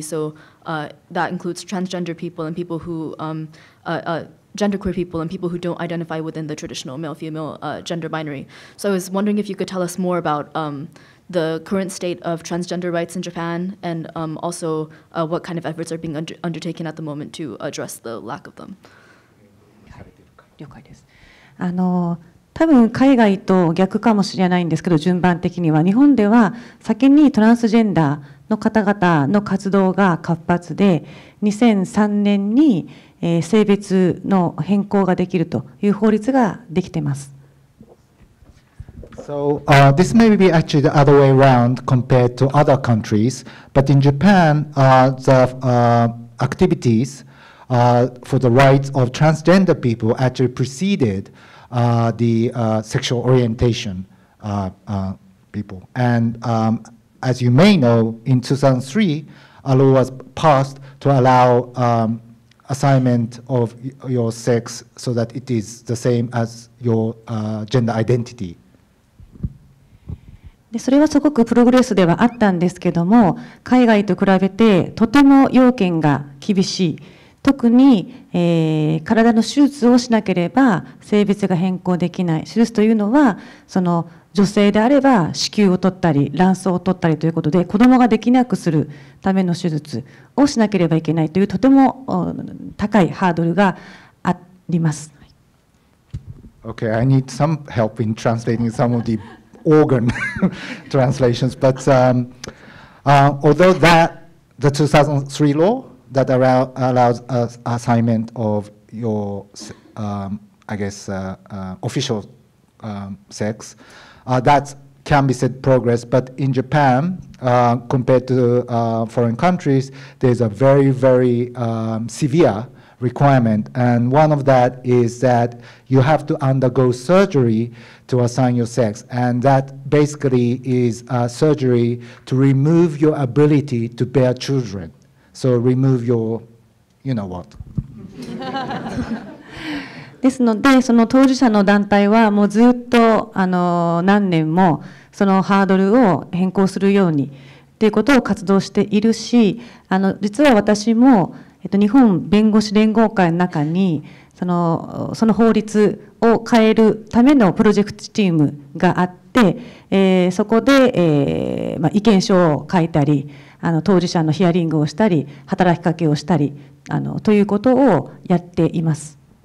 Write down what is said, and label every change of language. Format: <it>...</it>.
<en>So that includes transgender people and people who genderqueer people and people who don't identify within the traditional male-female gender binary. So I was wondering if you could tell us more about the current state of transgender rights in Japan and also what kind of efforts are being undertaken at the moment to address the lack of them.</en> <ja>了解です。あの、多分海外と逆かもしれないんですけど、順番的には日本では先にトランスジェンダーの方々の活動が活発で、2003年に性別の変更ができるという法律ができています。</ja> <en>So, this may be actually the other way around compared to other countries, but in Japan, the activities for the rights of transgender people actually preceded the sexual orientation people. And as you may know, in 2003, a law was passed to allow assignment of your sex so that it is the same as your gender identity.</en> <ja>で、それはすごくプログレスではあったんですけども、海外と比べてとても要件が厳しい。特に、体の手術をしなければ性別が変更できない。手術というのはその女性であれば子宮を取ったり卵巣を取ったりということで子供ができなくするための手術をしなければいけないというとても高いハードルがあります。</ja> <en>Okay, I need some help in translating some of the organ translations, but although that the 2003 law that allows assignment of your, official sex. That can be said progress, but in Japan, compared to foreign countries, there's a very, very severe requirement. And one of that is that you have to undergo surgery to assign your sex. And that basically is a surgery to remove your ability to bear children. So remove your, you know what.</en> <ja>ですのでその当事者の団体はもうずっとあの何年もそのハードルを変更するようにということを活動しているしあの実は私も、日本弁護士連合会の中にその法律を変えるためのプロジェクトチームがあって、そこで、意見書を書いたりあの当事者のヒアリングをしたり働きかけをしたりあのということをやっています。</ja>